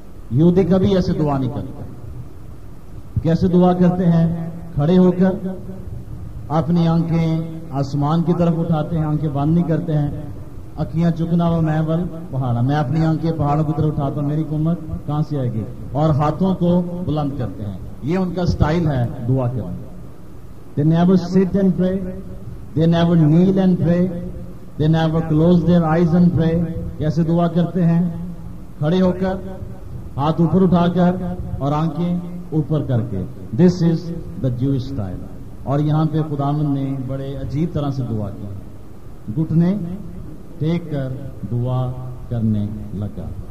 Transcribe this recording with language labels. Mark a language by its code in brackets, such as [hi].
[ur] یہودی کبھی ایسے دعا نہیں کرتے. کیسے دعا کرتے ہیں؟ کھڑے ہو کر اپنی آنکھیں آسمان کی طرف اٹھاتے ہیں, آنکھیں بند نہیں کرتے ہیں. اکیاں چکنا و میں بل پہاڑا, میں اپنی آنکھیں پہاڑوں کی طرف اٹھاتا ہوں, میری قوت کہاں سے آئے گی, اور ہاتھوں کو بلند کرتے ہیں. یہ ان کا سٹائل ہے دعا کرنے. [en] They never sit and pray, they never kneel and pray, they never close their eyes and pray. [ur] کیسے دعا کرتے ہیں؟ کھڑے ہو کر ہاتھ اوپر اٹھا کر اور آنکھیں اوپر کر کے. [en] This is the Jewish style. [ur] اور یہاں پہ خداوند نے بڑے عجیب طرح سے دعا کی, گھٹنے ٹیک کر دعا کرنے لگا.